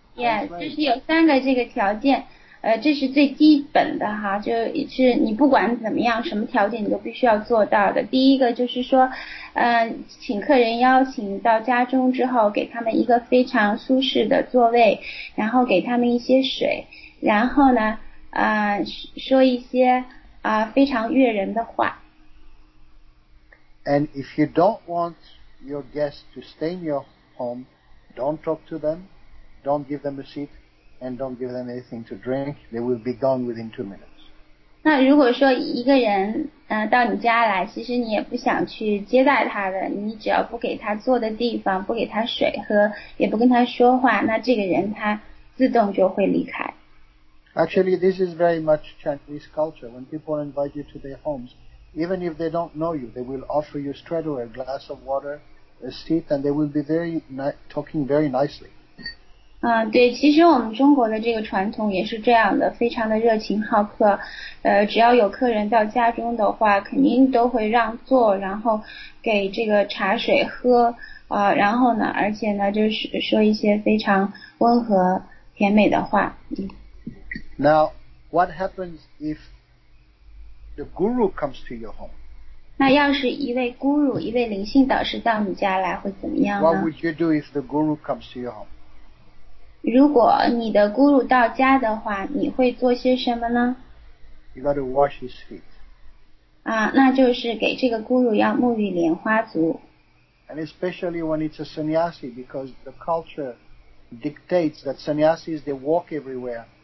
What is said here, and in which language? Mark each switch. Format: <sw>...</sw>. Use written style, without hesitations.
<zh>Yeah, 就是有三个这个条件，这是最基本的哈，就是你不管怎么样，什么条件你都必须要做到的。第一个就是说，请客人邀请到家中之后，给他们一个非常舒适的座位，然后给他们一些水，然后呢，说一些非常悦人的话。</zh> <en>And if you don't want your guests to stay in your home, don't talk to them, don't give them a seat.And don't give them anything to drink, they will be gone within 2 minutes.</en> <zh>那如果说一个人到你家来，其实你也不想去接待他的，你只要不给他坐的地方，不给他水喝，也不跟他说话，那这个人他自动就会离开。</zh> <en>Actually, this is very much Chinese culture. When people invite you to their homes, even if they don't know you, they will offer you straight away a glass of water, a seat, and they will be very talking very nicely.</en> <zh>对，其实我们中国的这个传统也是这样的，非常的热情好客。只要有客人到家中的话，肯定都会让座，然后给这个茶水喝。然后呢，而且呢，就是说一些非常温和甜美的话。</zh> <en>Now, what happens if the guru comes to your home?</en> <zh>那要是一位 guru, 一位灵性导师到你家来会怎么样呢？</zh> <en>What would you do if the guru comes to your home?</en> <zh>如果你的 guru 到家的话，你会做些什么呢？</zh> <en>You got to wash his feet.</en> <zh>那就是给这个 guru 要沐浴莲花足。</zh> <en>And especially when it's a sannyasi, because the culture dictates that sannyasis, they walk everywhere.</en>